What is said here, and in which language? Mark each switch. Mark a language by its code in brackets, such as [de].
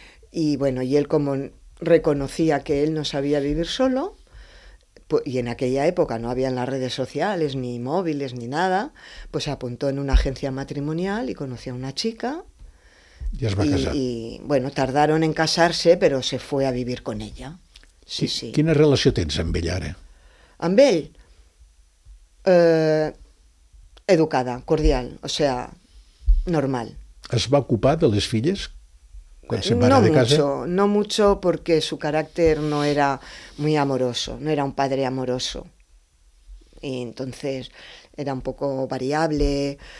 [es] Y bueno, y él como reconocía que él no sabía vivir solo, pues, y en aquella época no habían las redes sociales, ni móviles, ni nada, pues apuntó en una agencia matrimonial y conoció a una chica. [ca] Y es va a casar. [es] Y bueno, tardaron en casarse, pero se fue a vivir con ella. Sí, sí. [ca] ¿Quina relació tens amb ell ara? Amb ell? [es] Educada, cordial, o sea, normal. [ca] ¿Es va ocupar de les filles quan se'n va anar de casa? [es] No mucho, porque su carácter no era muy amoroso, no era un padre amoroso. Y entonces era un poco variable.